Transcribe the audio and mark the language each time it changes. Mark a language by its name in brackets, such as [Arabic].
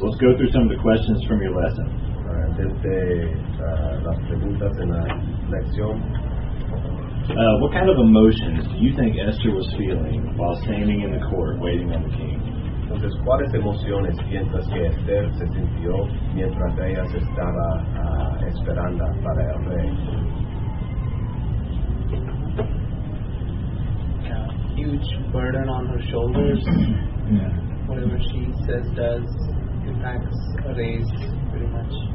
[English] Let's go through some of the questions from your lesson. [Spanish] All right, desde las preguntas en la lección. [English] What kind of emotions do you think Esther was feeling while standing in the court waiting on the king? [Spanish] Entonces, ¿cuáles emociones piensas que Esther se sintió mientras ella se estaba esperando para el rey? [English] A huge burden on her shoulders. Yeah. Whatever she says, does, impacts a race pretty much.